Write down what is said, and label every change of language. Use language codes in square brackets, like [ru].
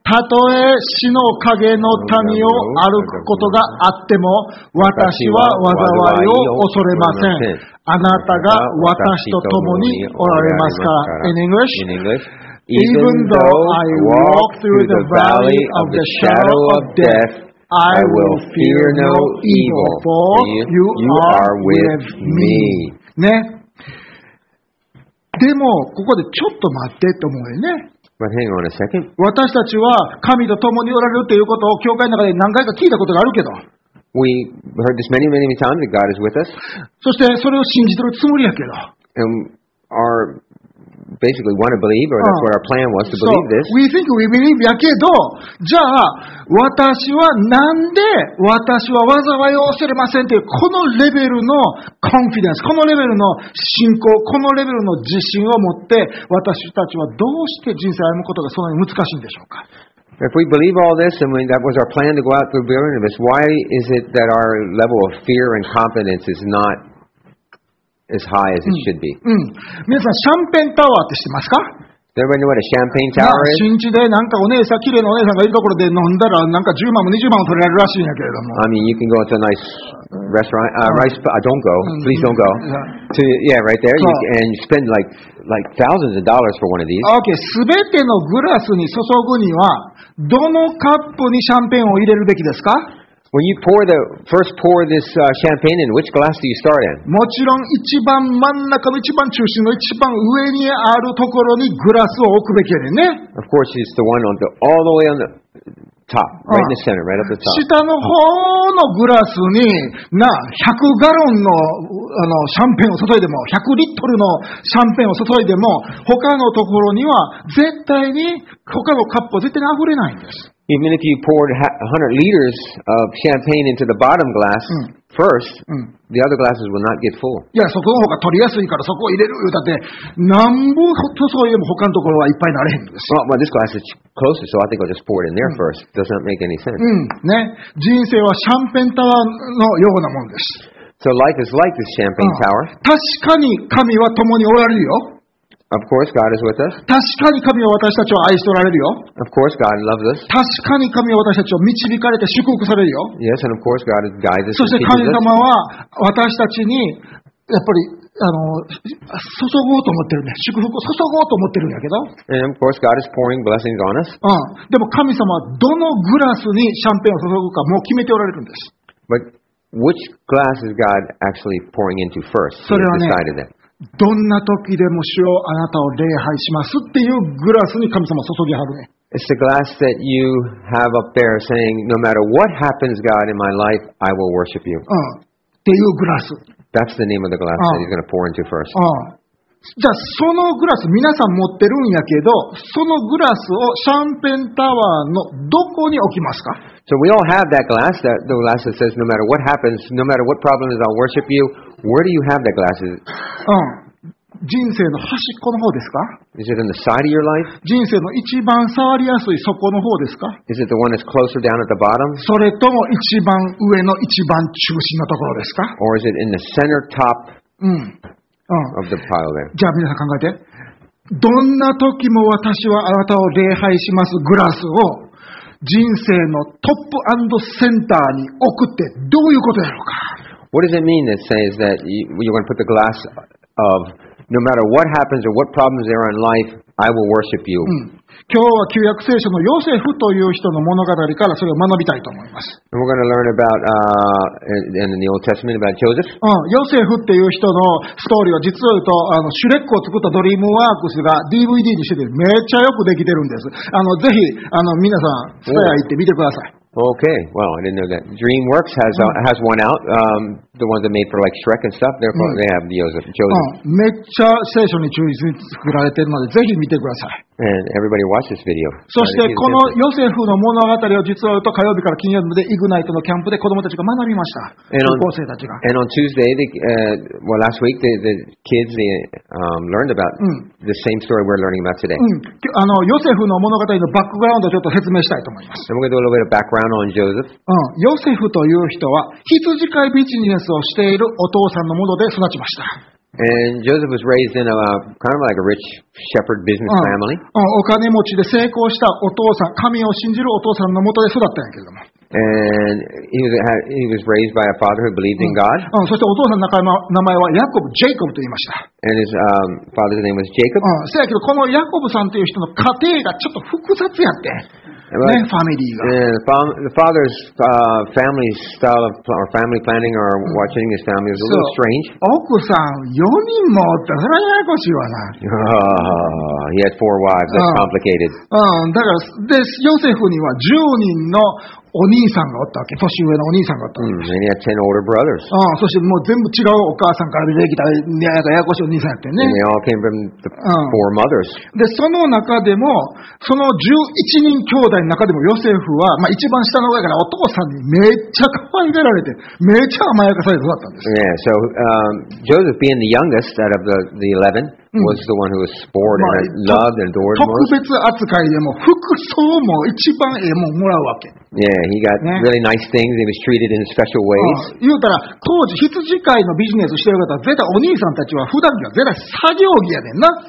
[ja] たとえ死の影の谷を歩くことがあっても、私は災いを恐れません。あなたが私と共におられますか。 [en] In English? In English? Even though I walk through the valley of the shadow of death,I will fear no evil, for you are with me. [ja] ね。でも、ここでちょっと待ってと思うよね。 [en] But hang on a second. [ja] 私たちは神と共におられるということを教会の中で何回か聞いたことがあるけど。 [en] We heard this many, many times that God is with us. [ja] そしてそれを信じてるつもりやけど。 [en] And our... Basically, want to believe, or that's what our plan was to believe this. So, we think we believe, [ja] やけど、じゃあ、私はなんで私は災いを恐れませんっていう、このレベルの confidence、このレベルの信仰、このレベルの自信を持って、私たちはどうして人生を歩むことがそんなに難しいんでしょうか。 [en] If we believe all this, and that was our plan to go out through the wilderness, why is it that our level of fear and confidence is not? As high as it should be. [ja] 皆さん、シャンペンタワーって知ってますか？ [en] Does anyone know what a champagne tower is? [ja] 新地でなんかお姉さん、綺麗なお姉さんがいるところで飲んだらなんか10万も20万も取れるらしいんやけれども。 [en] I mean, you can go to a nice restaurant. Don't go. Please don't go. Right there. And you spend like thousands of dollars for one of these. [ja] Okay, 全てのグラスに注ぐには、どのカップにシャンペンを入れるべきですか？ [en] When you pour the first pour this champagne in, which glass do you start in? [ja] もちろん一番真ん中の一番中心の一番上にあるところにグラスを置くべきやねんね。 [en] Of course, it's the one on the all the way on the top, right in the center, right at the top. [ja] 下の方のグラスにな100ガロンのシャンペンを注いでも100リットルのシャンペンを注いでも他のところには絶対に他のカップは絶対に溢れないんです。 [en] Even if you poured 100 liters of champagne into the bottom glass first, the other glasses will not get full. [ja] いや、そこの方が取りやすいからそこを入れるよ。だって、なんぼ注いでも他のところはいっぱいなれへんです。 [en] Well, this glass is closer, so I think I'll just pour it in there first. Doesn't make any sense. [ja] ね。人生はシャンペンタワーのようなもんです。 [en] So life is like this champagne tower. [ja] 確かに神は共におられるよ。 [en] Of course, God is with us. [ja] 確かに神は私たちを愛しておられるよ。 [en] Of course, God loves us. [ja] 確かに神は私たちを導かれて祝福されるよ。 [en] Yes, and of course, God is guides us. [ja] そして神様は私たちにやっぱり注ごうと思ってるね。祝福を注ごうと思ってるんだけど。 [en] And of course, God is pouring blessings on us. [ja] でも神様はどのグラスにシャンペンを注ぐかもう決めておられるんです。 [en] But which glass is God actually pouring into first? [ja] それはね。どんな時でも主よあなたを礼拝しますっていうグラスに神様注ぎはるね。 [en] It's the glass that you have up there saying, no matter what happens, God, in my life, I will worship you. [ja] っていうグラス。 [en] That's the name of the glass that he's going to pour into first. [ja] じゃあそのグラス皆さん持ってるんやけど、そのグラスをシャンペンタワーのどこに置きますか？ [en] So we all have that glass, the glass that says, no matter what happens, no matter what problem is, I'll worship you.Where do you have the glasses? [ja] 人生の端っこの方ですか? [en] Is it in the side of your life? [ja] 人生の一番触りやすい底の方ですか? [en] Is it the one that's closer down at the bottom? [ja] それとも一番上の一番中心のところですか? [en] Or is it in the center top of the pile there? [ja] じゃあ皆さん考えて。どんな時も私はあなたを礼拝しますグラスを人生のトップ&センターに置くってどういうことやろうか? [en] What does it mean that says that you're going to put the glass of no matter what happens or what problems there are in life, I will worship you?、 [ja] うん、今日は旧約聖書のヨセフという人の物語からそれを学びたいと思います。 [en] We're going to learn about, in the Old Testament about Joseph.、 [ja] うん、ヨセフっていう人のストーリーは実を言うと、シュレックを作ったドリームワークスが DVD にしててめっちゃよくできてるんです。ぜひ、皆さん、スタヤ行って見てください。 [en] Okay, well, I didn't know that. DreamWorks has,、うん、has one out,、the ones that made for like Shrek and stuff, therefore、うん、they have Joseph. [ja] めっちゃ聖書に忠実に作られてるので、ぜひ見てください。 [en] And everybody watch this video. [ja] そして、このヨセフの物語を実は火曜日から金曜日までイグナイトのキャンプで子供たちが学びました。高校生たちが。 [en] And on Tuesday, the,、well, last week, the kids they,、learned about、うん、the same story we're learning about today.、 [ja] うん、ヨセフの物語のバックグラウンドをちょっと説明したいと思います。 [en] And we're going to do a little bit of backgroundOn Joseph. [ja] うん、ヨセフという人は羊飼いビジネスをしているお父さんのもので育ちました。 [en] And Joseph was raised in a kind of like a rich shepherd business family.、 [ja] うんうん、お金持ちで成功したお父さん、神を信じるお父さんのもとで育ったんやけども。 [en] And he was raised by a father who believed in God.、 [ja] うんうん、そしてお父さんの名前はヤコブ、ジェイコブと言いました。 [en] And his、father's name was Jacob.、 [ja] うん、せやけどこのヤコブさんという人の家庭がちょっと複雑やって。But, ね、ファミリーが。 [en] The father's、family style of or family planning or watching his family is a little strange. [ja] 奥さん4人もおった。それはややこしいわな。 [en] He had four wives. That's complicated. [ja] だから、で、ヨセフには10人のお兄さんがおったわけ。年上のお兄さんがおったわけ。 [en] Mm, and he had 10 older brothers. [ja] そしてもう全部違うお母さんから出てきた、ややこしいお兄さんやってね。 [en] And they all came from the four mothers. [ja] で、その中でも、その11人兄弟の中でもヨセフは、まあ、一番下の子だからお父さんにめっちゃ可愛がられて、めっちゃ甘やかされて育ったんです。 [en] Yeah, so, Joseph being the youngest out of the 11,was the one who was sport and loved and adored most. [ja] 特別扱いでも服装も一番ええもんもらうわけ。 [en] Yeah, he got really nice things. He was treated in special ways. [ja] 言うたら、当時羊飼いのビジネスしてる方は絶対お兄さんたちは普段から絶対作業着やねんな。